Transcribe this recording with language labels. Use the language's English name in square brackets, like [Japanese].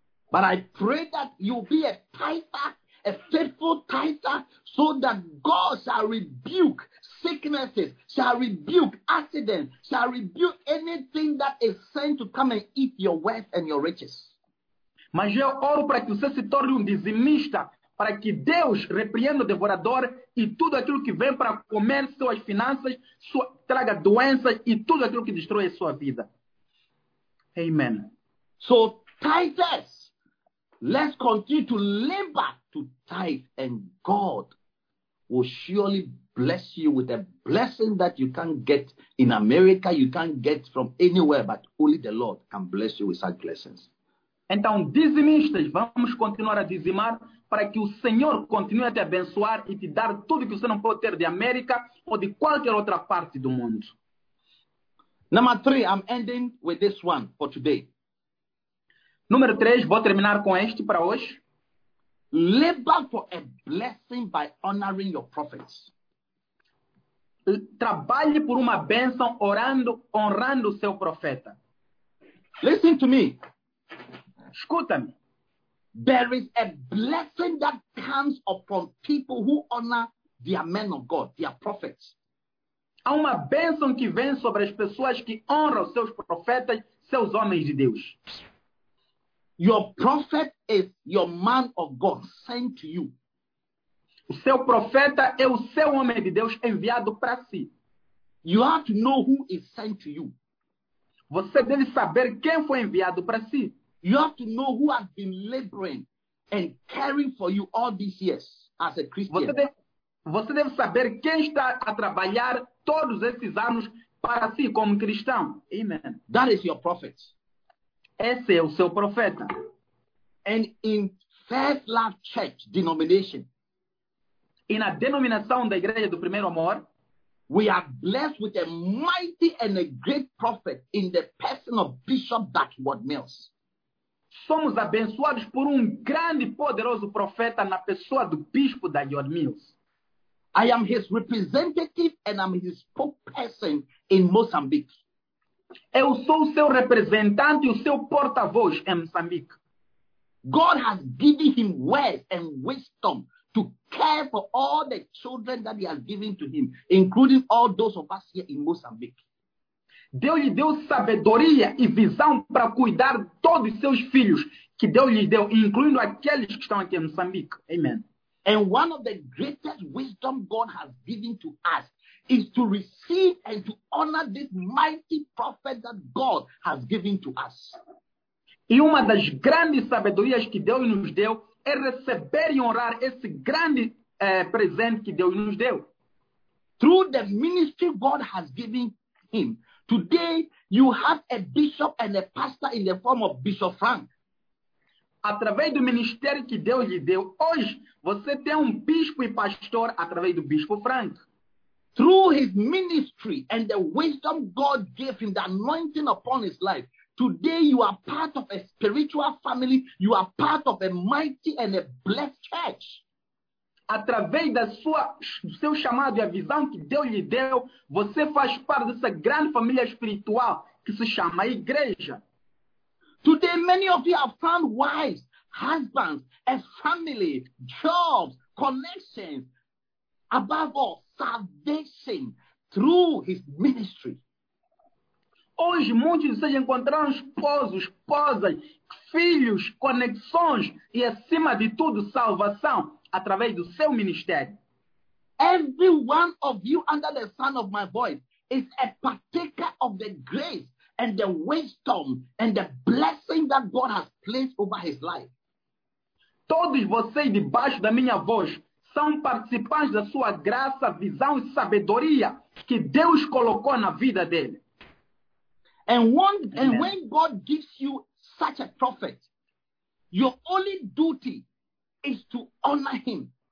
[English] But I pray that you'll be a tither, a faithful tither, so that God shall rebuke sicknesses, shall rebuke accidents, shall rebuke anything that is sent to come and eat your wealth and your riches. [Portuguese] Mas eu oro para que você se torne dizimista, para que Deus repreenda o devorador e tudo aquilo que vem para comer suas finanças, traga doenças e tudo aquilo que destrói a sua vida. [English] Amen. So, tithers, let's continue to labor to tithe, and God will surely bless you with a blessing that you can't get in America, you can't get from anywhere, but only the Lord can bless you with such blessings. [Portuguese] Então, dizimistas, vamos continuar a dizimar para que o Senhor continue a te abençoar e te dar tudo que você não pode ter de América ou de qualquer outra parte do mundo. [English] Number 3, I'm ending with this one for today. [Portuguese] Número 3, vou terminar com este para hoje. [English] Labor for a blessing by honoring your prophets. [Portuguese] Trabalhe por uma bênção orando, honrando o seu profeta. [English] Listen to me. [Portuguese] Escuta-me. [English] There is a blessing that comes upon people who honor their men of God, their prophets. [Portuguese] Há uma bênção que vem sobre as pessoas que honram seus profetas, seus homens de Deus. [English] Your prophet is your man of God sent to you. [Portuguese] O seu profeta é o seu homem de Deus enviado para si. [English] You have to know who is sent to you. [Portuguese] Você deve saber quem foi enviado para si. [English] You have to know who has been laboring and caring for you all these years as a Christian. [Portuguese] Você deve saber quem está a trabalhar todos esses anos para si como cristão. [English] Amen. That is your prophet. [Portuguese] Esse é o seu profeta. [English] And in First Love Church denomination, [Portuguese] e na denominação da Igreja do Primeiro Amor, [English] we are blessed with a mighty and a great prophet in the person of Bishop Dagwood Mills. [Portuguese] Somos abençoados por grande e poderoso profeta na pessoa do Bispo Dagwood Mills. [English] I am his representative and I'm his spokesperson in Mozambique. [Portuguese] Eu sou o seu representante e o seu porta-voz em Moçambique. [English] God has given him words and wisdom to care for all the children that he has given to him, including all those of us here in Mozambique. [Portuguese] Deus lhe deu sabedoria e visão para cuidar todos os seus filhos, que Deus lhes deu, incluindo aqueles que estão aqui em Moçambique. [English] Amen. And one of the greatest wisdom God has given to us is to receive and to honor this mighty prophet that God has given to us. [Portuguese] E uma das grandes sabedorias que Deus nos deu é receber e honrar esse grande presente que Deus nos deu. [English] Through the ministry God has given him, today you have a bishop and a pastor in the form of Bishop Frank. [Portuguese] Através do ministério que Deus lhe deu, hoje você tem bispo e pastor através do Bispo Frank. [English] Through his ministry and the wisdom God gave him, the anointing upon his life, today you are part of a spiritual family, you are part of a mighty and a blessed church. [Portuguese] Através do seu chamado e a visão que Deus lhe deu, você faz parte dessa grande família espiritual que se chama Igreja. [English] Today, many of you have found wives, husbands, a family, jobs, connections, above all, salvation through his ministry. [Portuguese] Hoje, muitos de vocês encontraram esposos, esposas, filhos, conexões e, acima de tudo, salvação através do seu ministério. [English] Every one of you under the sound of my voice is a partaker of the grace and the wisdom and the blessing that God has placed over his life. [Portuguese] Todos vocês debaixo da minha voz são participantes da sua graça, visão e sabedoria que Deus colocou na vida dele. [English] And when God gives you such a prophet, your only duty is to honor him.